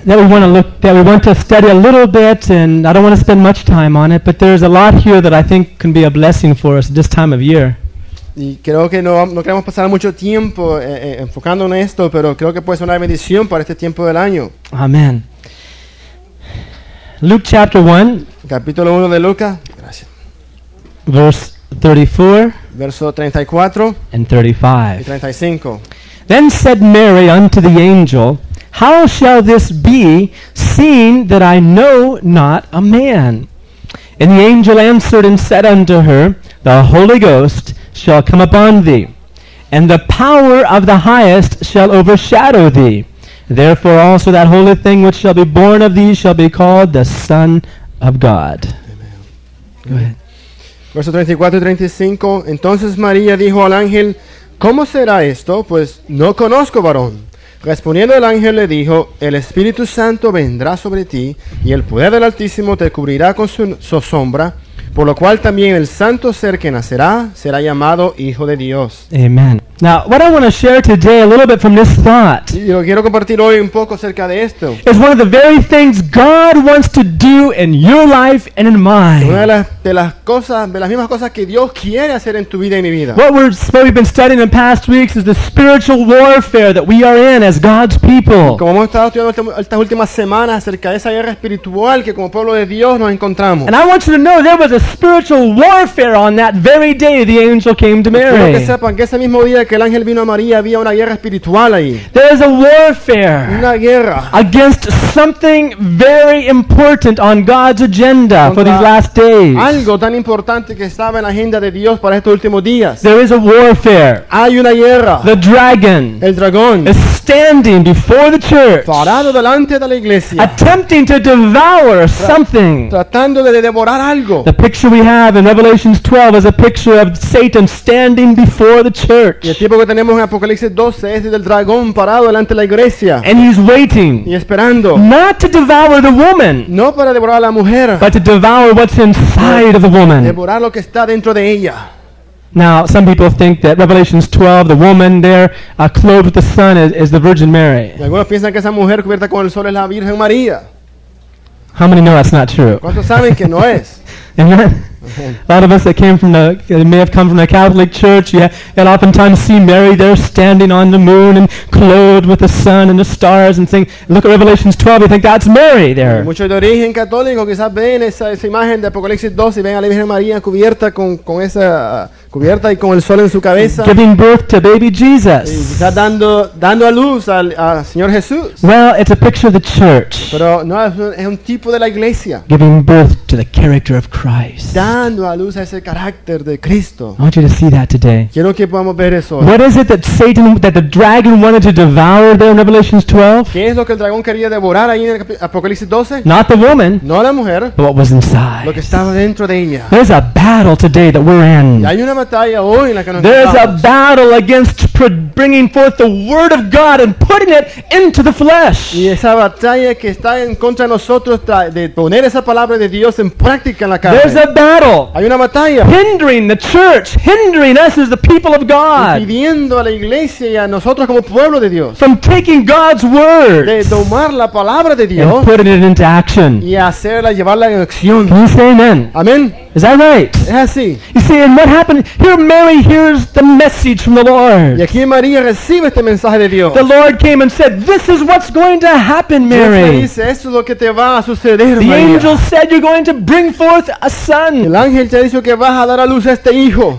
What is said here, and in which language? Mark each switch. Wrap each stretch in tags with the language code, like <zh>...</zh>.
<en>That we want to study a little bit, and I don't want to spend much time on it, but there's a lot here that I think can be a blessing for us this time of year.</en> <es>Y creo que no queremos pasar mucho tiempo enfocando en esto, pero creo que puede ser una bendición para este tiempo del año.</es> <en>Amen. Luke chapter 1.</en> <es>Capítulo 1 de Lucas. Gracias.</es> <en>Verse 34 and 35. Then said Mary unto the angel, How shall this be, seeing that I know not a man? And the angel answered and said unto her, The Holy Ghost shall come upon thee, and the power of the highest shall overshadow thee. Therefore also that holy thing which shall be born of thee shall be called the Son of God. Amen. Go ahead.</en> <es>Verso 34 y 35, entonces María dijo al ángel, ¿Cómo será esto? Pues no conozco varón. Respondiendo el ángel le dijo, El Espíritu Santo vendrá sobre ti, y el poder del Altísimo te cubrirá con su sombra, por lo cual también el santo ser que nacerá será llamado Hijo de Dios.</es> <en>Amen. Now, what I want to share today, a little bit from this thought,</en> <es>y lo quiero compartir hoy un poco acerca de esto,</es> <en>is one of the very things God wants to do in your life and in mine.</en> <es>Una de las mismas cosas que Dios quiere hacer en tu vida y mi vida.</es> <en>What we've been studying in past weeks is the spiritual warfare that we are in as God's people.</en> <es>Y como hemos estado estudiando estas últimas semanas acerca de esa guerra espiritual que como pueblo de Dios nos encontramos.</es> <en>And I want you to know there was a spiritual warfare on that very day the angel came to Mary.</en> <es>Quiero que sepan que ese mismo día que el ángel vino a María había una guerra espiritual ahí.</es> <en>There is a warfare.</en> <es>Una guerra.</es> <en>Against something very important on God's agenda for these last days.</en> <es>Algo tan importante que estaba en la agenda de Dios para estos últimos días.</es> <en>There is a warfare.</en> <es>Hay una guerra.</es> <en>The dragon.</en> <es>El dragón.</es> <en>Is standing before the church.</en> <es>Parado delante de la iglesia.</es> <en>Attempting to devour something.</en> <es>Tratando de devorar algo.</es> <en>The picture we have in Revelation 12 is a picture of Satan standing before the church.</en> <es>Y el tipo que tenemos en Apocalipsis 12 es del dragón parado delante de la iglesia.</es> <en>And he's waiting.</en> <es>Y esperando.</es> <en>Not to devour the woman.</en> <es>No para devorar a la mujer.</es> <en>But to devour what's inside of the woman.</en> <es>Devorar lo que está dentro de ella.</es> <en>Now, some people think that Revelation 12, the woman there, clothed with the sun, is the Virgin Mary.</en> <es>Y algunos piensan que esa mujer cubierta con el sol es la Virgen María.</es> <en>How many know that's not true?</en> <es>¿Cuántos saben que no es?</es> <en>Amen. A lot of us that may have come from the Catholic Church, you'll oftentimes see Mary there standing on the moon and clothed with the sun and the stars and saying, look at Revelation 12, you think that's Mary there.</en> <es>Muchos de origen católico quizás ven esa imagen de Apocalipsis 12 y ven a la Virgen María cubierta con esa cubierta y con el sol en su cabeza.</es> <en>Giving birth to baby Jesus.</en> <es>Y quizás dando a luz al Señor Jesús.</es> <en>Well, it's a picture of the church.</en> <es>Pero no, es un tipo de la iglesia.</es> <en>Giving birth to the character of Christ.</en> <es>Dando a luz a ese carácter de Cristo.</es> <en>I want you to see that today.</en> <es>Quiero que podamos ver eso hoy.</es> <en>What is it that Satan, that the dragon wanted to devour there in Revelation 12?</en> <es>¿Qué es lo que el dragón quería devorar ahí en Apocalipsis 12?</es> <en>Not the woman.</en> <es>No la mujer.</es> <en>But what was inside.</en> <es>Lo que estaba dentro de ella.</es> <en>There's a battle today that we're in.</en> <es>Y hay una batalla hoy en la que nos</es> <en>There's</en> <es>estamos.</es> <en>A battle against bringing forth the word of God and putting it into the flesh.</en> <es>Y esa batalla que está en contra de nosotros de poner esa palabra de Dios en práctica en la carne.</es> <en>There's a</en> <es>Hay una batalla.</es> <en>Hindering the church, hindering us as the people of God.</en> <es>Impidiendo a la iglesia y a nosotros como pueblo de Dios.</es> <en>From taking God's word.</en> <es>De tomar la palabra de Dios.</es> <en>And putting it into action.</en> <es>Y hacerla, llevarla en acción.</es> <en>Can you say amen? Amen. Is that right?</en> <es>Es así.</es> <en>You see, and what happened? Here Mary hears the message from the Lord.</en> <es>Y aquí María recibe este mensaje de Dios.</es> <en>The Lord came and said, This is what's going to happen, Mary.</en> <es>Dios le dice, esto es lo que te va a suceder,</es> <en>the</en> <es>María.</es> <en>The angel said, You're going to bring forth a son.</en> <es>El ángel te dijo que vas a dar a luz a este hijo.</es>